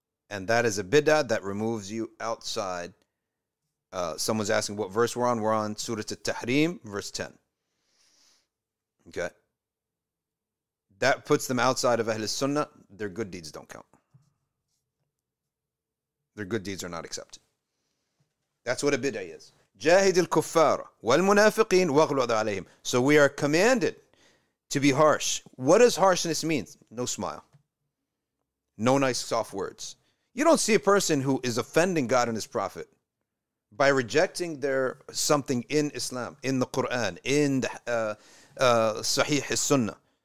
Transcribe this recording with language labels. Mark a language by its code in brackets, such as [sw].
[en] And that is a bid'ah that removes you outside. Someone's asking what verse we're on. We're on Surat al Tahrim, verse 10. Okay. That puts them outside of Ahlul Sunnah. Their good deeds don't count. Their good deeds are not accepted. That's what a bid'ah is. [ar] جاهد الكفار والمنافقين واغلظ عليهم. [en] So we are commanded to be harsh. What does harshness mean? No smile. No nice soft words. You don't see a person who is offending God and His Prophet by rejecting their something in Islam, in the Quran, in the Sahih al-Sunnah.